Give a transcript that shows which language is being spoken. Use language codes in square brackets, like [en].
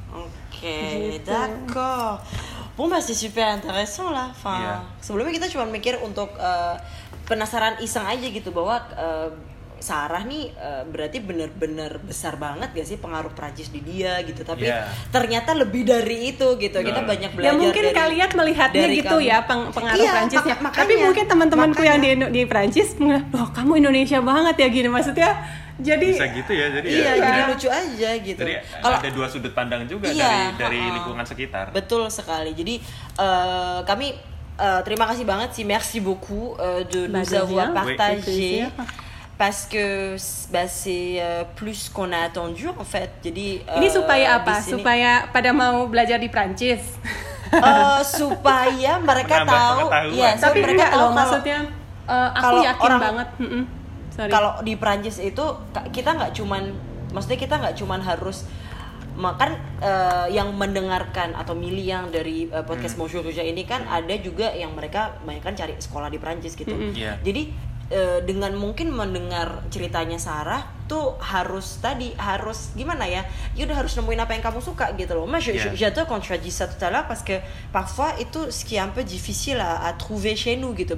[fr] oke d'accord bon c'est super intéressant lah [id] enfin, sebelumnya kita cuma mikir untuk penasaran iseng aja gitu bahwa Sarah nih berarti benar-benar besar banget gak sih pengaruh Prancis di dia gitu tapi ternyata lebih dari itu gitu kita banyak belajar ya mungkin dari, kalian melihatnya gitu kamu. Ya pengaruh Prancisnya makanya, tapi mungkin teman-temanku yang di Prancis loh kamu Indonesia banget ya gini maksudnya jadi bisa gitu ya jadi jadi lucu aja gitu jadi kalau ada dua sudut pandang juga dari lingkungan sekitar betul sekali jadi kami terima kasih banget sih [fr] merci beaucoup de nous avoir partagé parce que bah c'est plus qu'on a attendu en fait. [id] Jadi ini supaya apa? Supaya pada mau belajar di Prancis. Supaya mereka tahu. Iya, tapi mereka tahu maksudnya aku yakin orang, banget. kalau di Prancis itu kita nggak cuman, maksudnya kita nggak cuman harus makan yang mendengarkan atau Mili yang dari podcast Mojo Tuja ini kan ada juga yang mereka bayangkan cari sekolah di Prancis gitu. Jadi dengan mungkin mendengar ceritanya Sarah tuh harus tadi harus gimana ya? Ya udah harus nemuin apa yang kamu suka gitu loh. [fr] Mais j'adore quand tu as dit ça tout à l'heure parce que parfois [id] itu [fr] ce qui est un peu difficile à trouver chez nous [id] gitu.